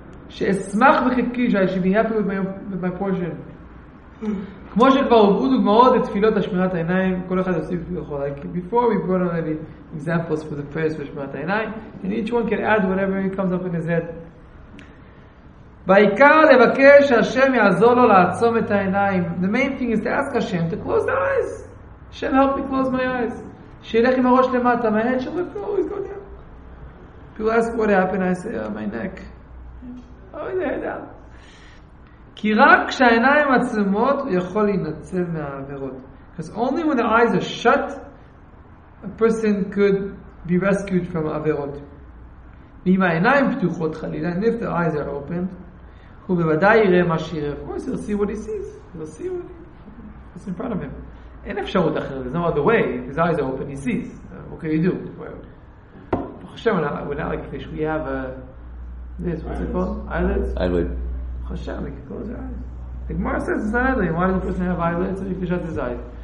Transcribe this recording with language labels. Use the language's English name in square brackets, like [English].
[English] I should be happy with my portion. [Hebrew] כמו שכבר הובאו דוגמאות לתפילות השמירת העיניים, כל אחד יוסיף לכל, [English] like before we brought on any examples for the prayers for שמירת העיניים, and each one can add whatever he comes up in his head. [Hebrew] בעיקר לבקש שהשם יעזור לו לעצום את העיניים. [English] The main thing is to ask Hashem to close the eyes. Hashem help me close my eyes. [Hebrew] שילך עם הראש למטה, [English] my head should look for always go down. People ask what happened, I say, my neck. How is the head down? [Hebrew] כי רק כשהעיניים עצמות הוא יכול להינצל מהעבירות. [English] Because only when the eyes are shut, a person could be rescued from העבירות. [Hebrew] ואם העיניים פתוחות חלילה, [English] and if the eyes are open, [Hebrew] הוא בוודאי יראה מה שיראה. [English] Of course, he'll see what he sees. He'll see what's in front of him. [Hebrew] אין אפשרות אחרת. [English] There's no other way. If his eyes are open, he sees. What can you do? חושב, we're not like fish. We have this, what's it called? Eyelids? Eyelids. Hashem, like close your eyes. The Gemara says it's not ugly. Why does a person have eyelids? So you can shut his eyes.